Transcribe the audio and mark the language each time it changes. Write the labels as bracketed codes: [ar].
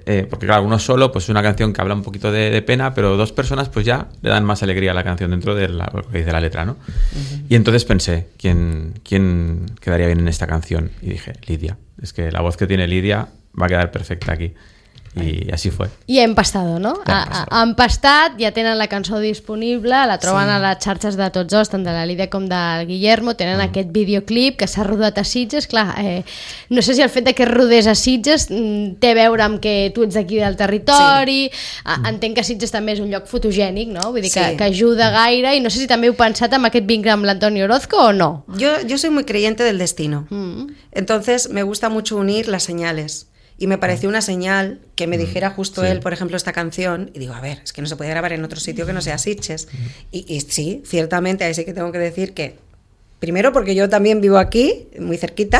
[es] Porque claro, uno solo, pues es una canción que habla un poquito de pena, pero dos personas pues ya le dan más alegría a la canción dentro de la letra, ¿no? Uh-huh. Y entonces pensé, ¿quién quedaría bien en esta canción? Y dije, Lidia. Es que la voz que tiene Lidia va a quedar perfecta aquí. Y así fue. [ca] I ha empastat, no? Ha empastat, ja tenen la cançó disponible, la troben, sí, a les xarxes de tots dos, tant de la Lídia com del Guillermo, tenen aquest videoclip que s'ha rodat a Sitges. Clar, no sé si el fet que es rodés a Sitges té a veure amb que tu ets d'aquí del territori. Sí. Entenc que Sitges també és un lloc fotogènic, no? Vull dir, sí, que ajuda gaire, i no sé si també heu pensat en aquest vincle amb l'Antonio Orozco o no. [es] Yo soy muy creyente del destino. Mm. Entonces me gusta mucho unir las señales. Y me pareció una señal que me dijera justo, sí, él, por ejemplo, esta canción. Y digo, a ver, es que no se puede grabar en otro sitio que no sea Sitges. Y sí, ciertamente, ahí sí que tengo que decir que, primero, porque yo también vivo aquí, muy cerquita.